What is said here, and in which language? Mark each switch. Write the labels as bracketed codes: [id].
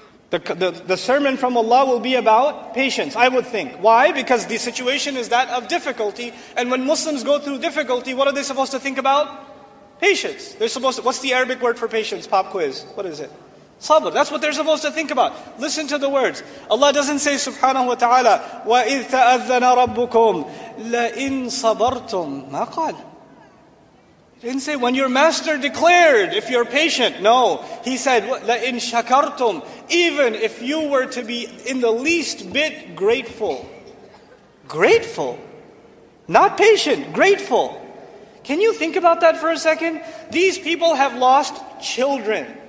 [en] The sermon from Allah will be about patience, I would think. Why? Because the situation is that of difficulty. And when Muslims go through difficulty, what are they supposed to think about? Patience. They're supposed to, what's the Arabic word for patience? Pop quiz. What is it? Sabr. That's what they're supposed to think about. Listen to the words. Allah doesn't say, [ar] subhanahu wa ta'ala, وَإِذْ تَأَذَّنَ رَبُّكُمْ لَإِنْ صَبَرْتُمْ مَا قَالْ. [en] He didn't say, when your master declared, if you're patient. No. He said, [ar] لَإِنْ شَكَرْتُمْ. [en] Even if you were to be in the least bit grateful. Grateful. Not patient. Grateful. Can you think about that for a second? These people have lost children.